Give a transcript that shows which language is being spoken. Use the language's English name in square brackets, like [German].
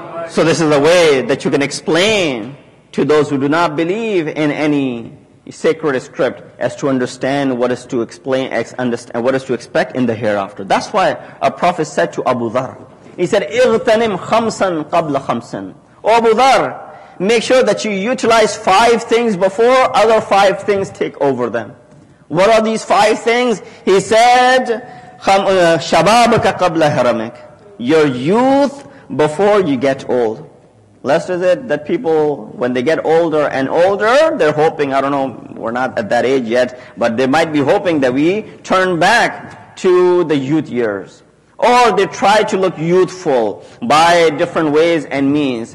[English] So this is a way that you can explain to those who do not believe in any sacred script as to understand what is to explain, understand what is to expect in the hereafter. That's why a prophet said to Abu Dharr, he said, [Arabic] اغتنم خمسا قبل خمسن. [English] O Abu Dharr, make sure that you utilize five things before other five things take over them. What are these five things? He said, [Arabic] شبابك قبل هرمك. [English] Your youth before you get old. Less is it that people, when they get older and older, they're hoping, I don't know, we're not at that age yet, but they might be hoping that we turn back to the youth years. Or they try to look youthful by different ways and means.